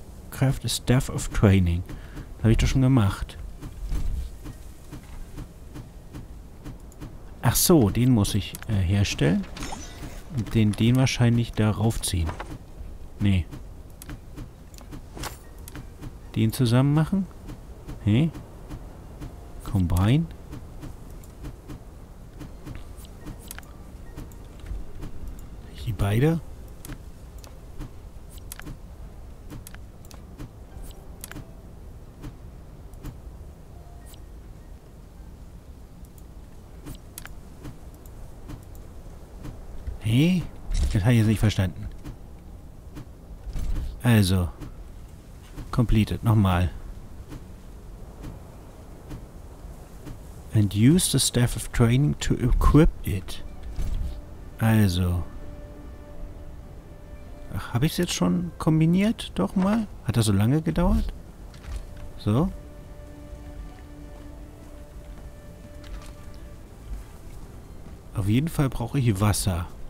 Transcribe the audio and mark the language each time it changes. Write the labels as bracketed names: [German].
[English] Craft a Staff of Training. [German] Habe ich doch schon gemacht. Ach so, den muss ich herstellen. Den wahrscheinlich darauf ziehen. Nee. Den zusammen machen. Hä? Hey. Combine. Die beide. Hä? Hey. Das habe ich jetzt nicht verstanden. Also. Completed. Nochmal. [English] And use the staff of training to equip it. [German] Also. Ach, habe ich es jetzt schon kombiniert? Doch mal? Hat das so lange gedauert? So. Auf jeden Fall brauche ich Wasser.